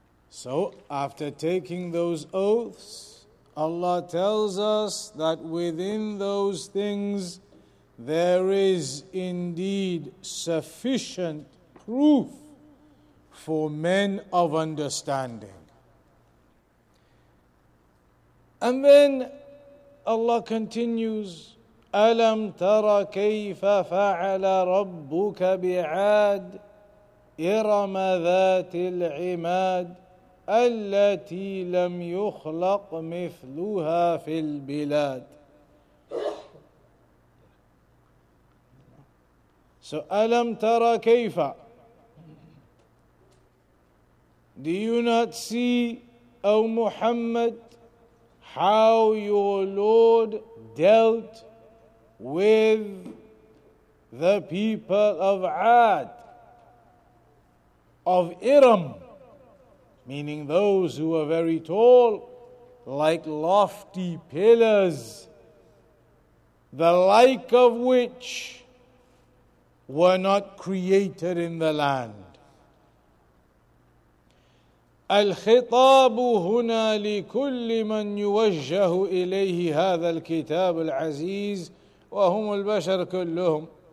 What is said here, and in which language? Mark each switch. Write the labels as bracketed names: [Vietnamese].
[English] So, after taking those oaths, Allah tells us that within those things there is indeed sufficient proof for men of understanding. And then Allah continues, [Arabic] أَلَمْ تَرَ كَيْفَ فَعَلَ رَبُّكَ بِعَادٍ إِرَمَ ذَاتِ الْعِمَادِ التي لم يخلق مثلها في البلاد. [English] So, [Arabic] ألم ترى كيف? [English] Do you not see, O Muhammad, how your Lord dealt with the people of Ad, of Iram? Meaning those who were very tall, like lofty pillars, the like of which were not created in the land. [Arabic] الخطاب هنا لكل من يوجه إليه هذا الكتاب العزيز وهم البشر كلهم.